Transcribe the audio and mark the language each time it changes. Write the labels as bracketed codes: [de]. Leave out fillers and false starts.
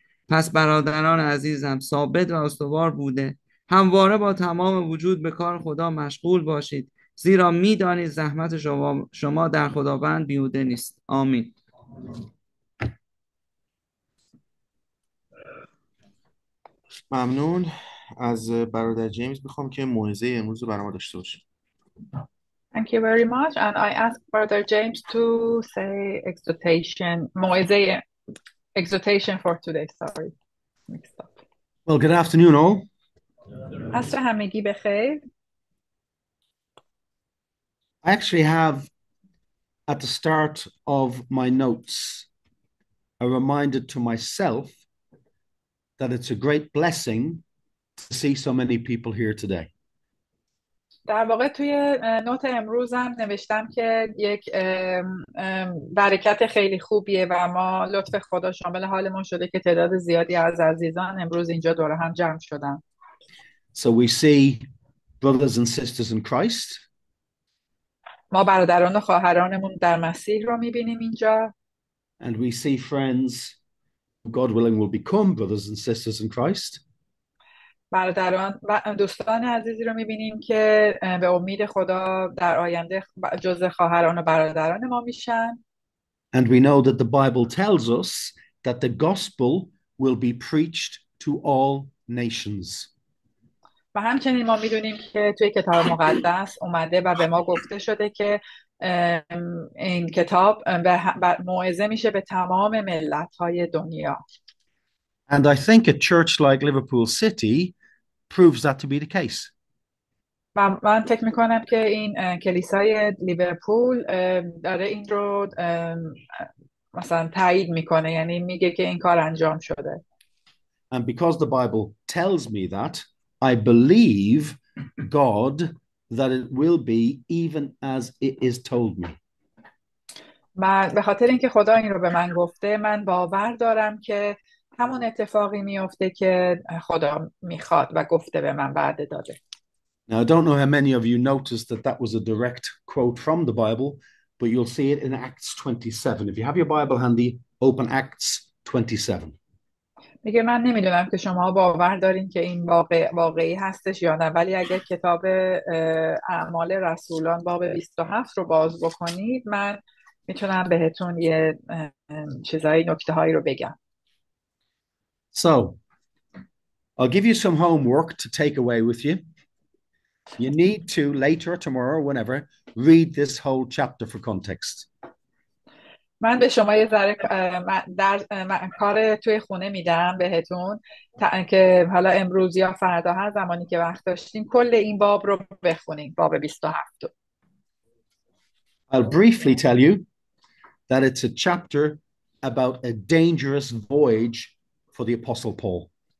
[fa] پس برادران عزیزم، ثابت و استوار بوده، همواره با تمام وجود به کار خدا مشغول باشید، زیرا می دانید زحمت شما در خداوند بیهوده نیست. آمین. ممنون. از برادر جیمز میخوام که موعظه امروز رو برام داشته باشه. [en] Thank you very much, and I ask Brother James to say exhortation, Moise, exhortation for today. Sorry, mixed up. Well, good afternoon, all. [fa] Hasta hamigi bechay. [en] I actually have at the start of my notes, a reminder to myself that it's a great blessing to see so many people here today. [fa] در واقع توی نوت امروزم نوشتم که یک برکت خیلی خوبیه و ما لطف خدا شامل حال ما شده که تعداد زیادی از عزیزان امروز اینجا دور هم جمع شدن. [en] So we see brothers and sisters in Christ. [fa] ما برادران و خواهرانمون در مسیح رو میبینیم اینجا. [en] And we see friends, God willing, will become brothers and sisters in Christ. [fa] برادران و دوستان عزیزی رو میبینیم که به امید خدا در آینده جز خواهران و برادران ما میشن. [en] And we know that the Bible tells us that the gospel will be preached to all nations. [fa] و همچنین ما میدونیم که توی کتاب مقدس اومده و به ما گفته شده که این کتاب موعظه میشه به تمام ملت‌های دنیا. [en] And I think a church like Liverpool City proves that to be the case. [fa] من فکر میکنم که این کلیسای لیورپول داره این رو مثلا تایید میکنه، یعنی میگه که این کار انجام شده. [en] And because the Bible tells me that, I believe God that it will be even as it is told me. [fa] من به خاطر اینکه خدا این رو به من گفته، من باور دارم که همون اتفاقی میفته که خدا میخواد و گفته به من وعده داده. [en] Now, I don't know how many of you noticed that that was a direct quote from the Bible, but you'll see it in Acts 27. If you have your Bible handy, open Acts 27. [fa] میگه من نمیدونم که شما باور دارین که این واقعی هستش یا نه، ولی اگر کتاب اعمال رسولان باب 27 رو باز بکنید، من میتونم بهتون یه چیزایی نکته هایی رو بگم. [en] So, I'll give you some homework to take away with you. You need to, later or tomorrow, whenever, read this whole chapter for context. [fa] من به شما یه ذره در کار توی خونه میدم بهتون که حالا امروز یا فردا هر زمانی که وقت داشتیم کل این باب رو بخونیم، باب 27. [en] I'll briefly tell you that it's a chapter about a dangerous voyage for the Apostle Paul.